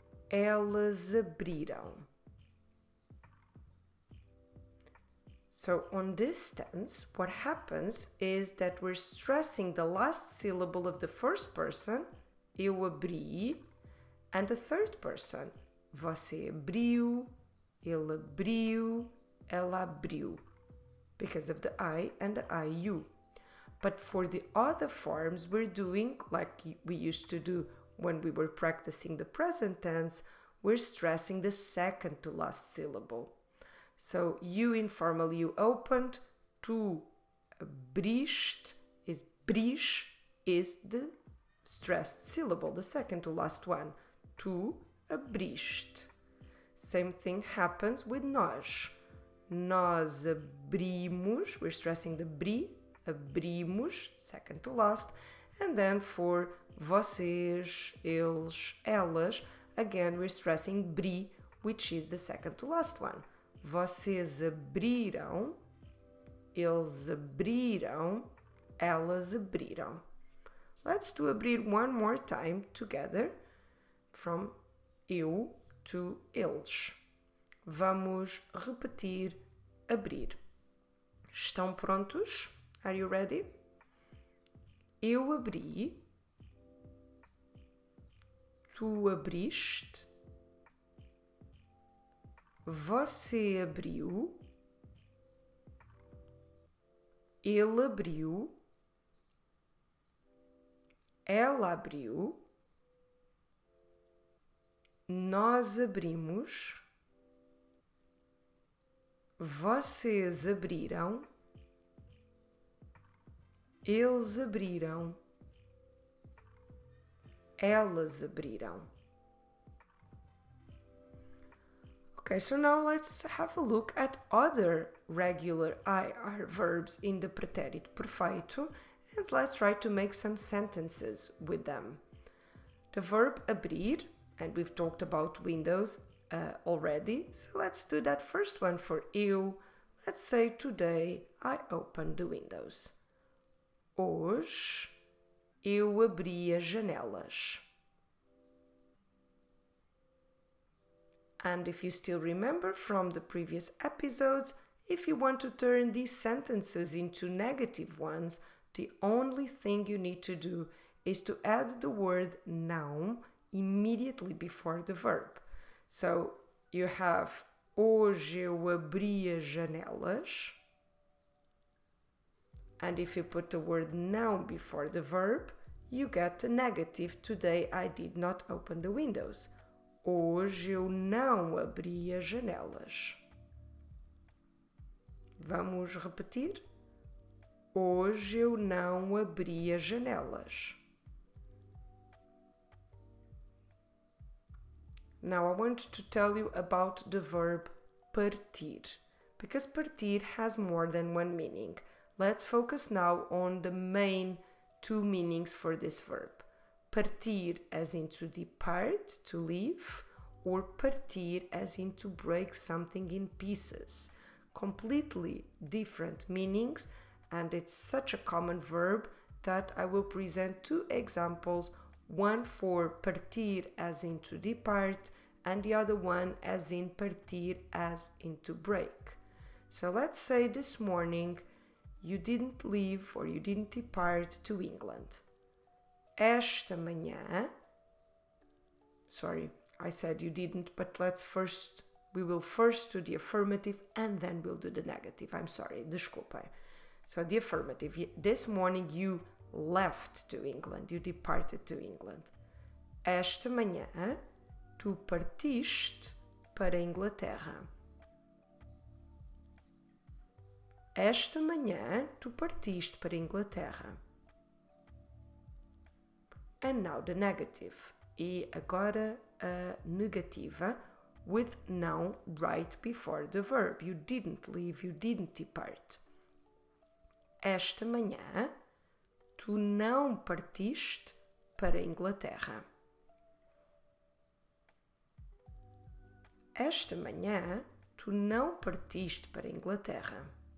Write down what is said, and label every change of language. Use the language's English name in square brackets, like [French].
[Portuguese] Elas abriram. [English] So, on this tense, what happens is that we're stressing the last syllable of the first person, eu abri, and the third person. [Portuguese] Você abriu, ele abriu, ela abriu, [English] because of the I and the IU. But for the other forms, we're doing like we used to do when we were practicing the present tense, we're stressing the second to last syllable. So, you informal, you opened, [Portuguese] tu abriste, [English] is brish, is the stressed syllable, the second to last one. [Portuguese] Tu abriste. [English] Same thing happens with nós. [Portuguese] Nós abrimos, [English] we're stressing the bri, abrimos, second to last. And then for vocês, eles, elas, again, we're stressing bri, which is the second to last one. [Portuguese] Vocês abriram, eles abriram, elas abriram. [English] Let's do abrir one more time together, from eu to eles. [Portuguese] Vamos repetir abrir. Estão prontos? [English] Are you ready? [Portuguese] Eu abri, tu abriste. Você abriu, ele abriu, ela abriu, nós abrimos, vocês abriram, eles abriram, elas abriram. [English] Okay, so now let's have a look at other regular IR verbs in the pretérito perfeito, and let's try to make some sentences with them. The verb abrir, and we've talked about windows already, so let's do that first one for eu. Let's say today I open the windows. [Portuguese] Hoje eu abri as janelas. [English] And if you still remember from the previous episodes, if you want to turn these sentences into negative ones, the only thing you need to do is to add the word noun immediately before the verb. So you have, [Portuguese] hoje eu abri as janelas. [English] And if you put the word noun before the verb, you get a negative, today I did not open the windows. [Portuguese] Hoje eu não abri as janelas. Vamos repetir? Hoje eu não abri as janelas. [English] Now I want to tell you about the verb partir, because partir has more than one meaning. Let's focus now on the main two meanings for this verb. Partir as in to depart, to leave, or partir as in to break something in pieces. Completely different meanings, and it's such a common verb that I will present two examples, one for partir as in to depart, and the other one as in partir as in to break. So let's say this morning you didn't leave or you didn't depart to England. [Portuguese] Esta manhã, [English] sorry, I said you didn't, but we will first do the affirmative and then we'll do the negative. I'm sorry, [Portuguese] desculpa. [English] So the affirmative, this morning you left to England, you departed to England. [Portuguese] Esta manhã, tu partiste para Inglaterra. Esta manhã, tu partiste para Inglaterra. [English] And now the negative. [Portuguese] E agora [English] negative with noun right before the verb. You didn't leave, you didn't depart. [Portuguese] Esta manhã, tu não partiste para a Inglaterra. Esta manhã, tu não partiste para a Inglaterra.